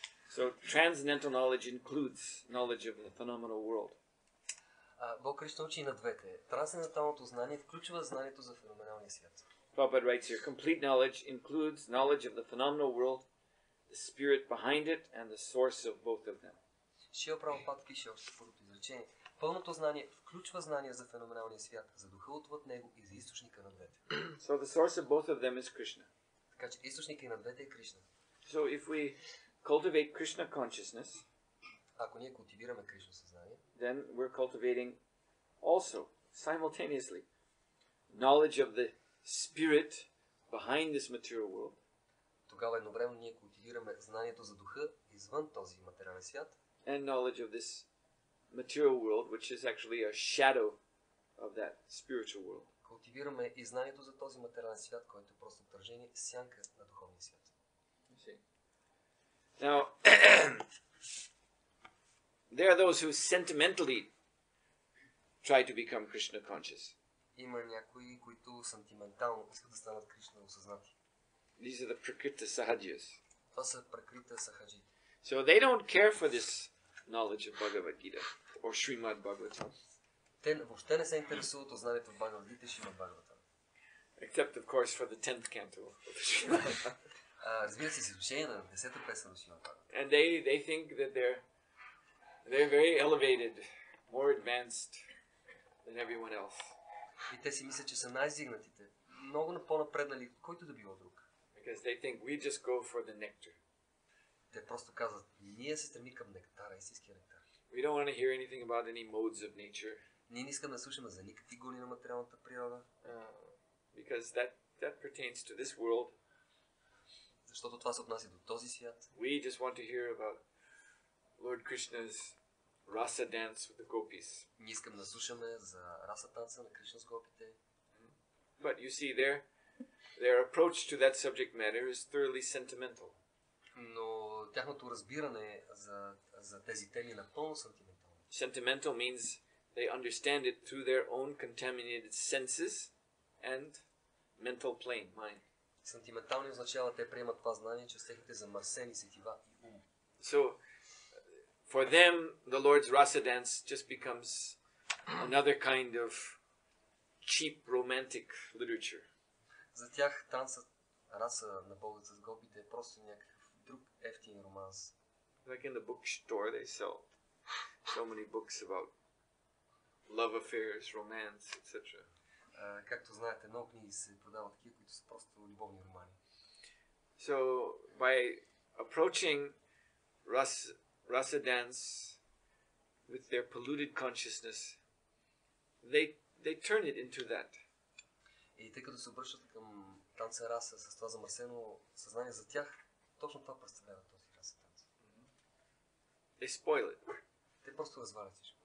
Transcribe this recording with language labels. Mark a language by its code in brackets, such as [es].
[en] So transcendental knowledge includes knowledge of the phenomenal world. [bg] Бог Кришна учи на двете. Трансценденталното знание включва знанието за феноменалния свят. [en] Prabhupada writes here, complete knowledge includes knowledge of the phenomenal world, the spirit behind it, and the source of both of them. [bg] Шрила Прабхупада пише още първото изречение. Пълното знание включва знание за феноменалния свят, за духа отвъд него и за източника на двете. [en] So the source of both of them is Krishna. [bg] Така че източникът и на двете е Кришна. [en] So if we cultivate Krishna consciousness, [bg] ако ние култивираме Кришна съзнание, [en] then we're cultivating also, simultaneously, knowledge of the spirit behind this material world. [bg] Тогава едновременно ние култивираме знанието за духа извън този материален свят. [en] And knowledge of this material world, which is actually a shadow of that spiritual world. [bg] Култивираме и знанието за този материален свят, който е просто отражение, сянка на духовния свят. [en] Now, there are those who sentimentally try to become Krishna conscious. [bg] Има някои, които сантиментално искат да станат Кришна осъзнати. [en] These are the prakriti sahajis. [bg] Това са prakriti sahaji. [en] So they don't care for this knowledge of Bhagavad Gita or Srimad Bhagavatam. [bg] Те въобще не се интересуват от знанието в Бхагавад Гита и Шримад Бхагаватам. [en] Except, of course, for the 10th canto of Srimad. [bg] Разбира се, изключение на 10-та песен на Шримад Бхагаватам. [en] And they think that they're very elevated, more advanced than everyone else. [bg] И те си мислят, че са най-издигнатите, много по-напреднали, който да било друг. [en] Because they think we just go for the nectar. [bg] Те просто казват, ние се стремим към нектара, истинския нектар. [en] We don't want to hear anything about any modes of nature. [bg] Ние не искаме да слушаме за никакви гони на материалната природа. [en] Because that pertains to this world. [bg] Защото това се отнася до този свят. [en] We just want to hear about Lord Krishna's rasa dance with the gopis. [bg] Ние искаме да слушаме за раса танца на Кришна с гопите. [en] But you see, their approach to that subject matter is thoroughly sentimental. [bg] Но тяхното разбиране за тези теми е напълно сантиментално. [en] Sentimental means they understand it through their own contaminated senses and mental plane, mind. [bg] Сентиментално означава, те приемат това знание чрез техните замърсени сетива и ум. [en] So, for them, the Lord's rasa dance just becomes another kind of cheap romantic literature. [bg] За тях танцът раса на Бога с гопите е просто някакъв друг ефтин романс. [en] Like in the bookstore they sell so many books about love affairs, romance, etc. [bg] Както знаете, много книги се продават такива, които са просто любовни романи. [en] So by approaching rasa dance with their polluted consciousness, they turn it into that. [bg] И тъй като се обръщат към танца раса с това замърсено съзнание, за тях точно това представлява този раса танц. [en] They spoil it. [bg] Те просто развалят всичко.